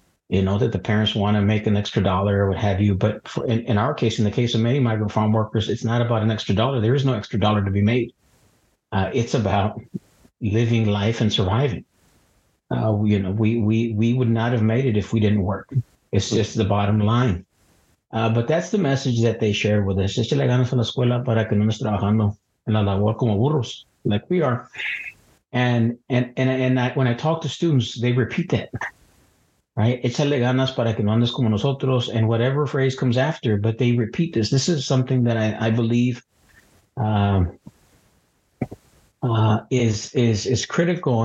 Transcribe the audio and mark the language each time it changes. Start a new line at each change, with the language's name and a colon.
English: you know, that the parents want to make an extra dollar or what have you. But for, in our case, in the case of many migrant farm workers, it's not about an extra dollar. There is no extra dollar to be made. It's about living life and surviving. You know, we would not have made it if we didn't work. It's just the bottom line. But that's the message that they shared with us.
Spanish: Échale ganas a la escuela para que no estés trabajando en la labor como burros,
English: like we are. And when I talk to students, they repeat that, right?
Spanish: Échale ganas para que no andes como nosotros,
English: and whatever phrase comes after, but they repeat this. This is something that I believe is critical.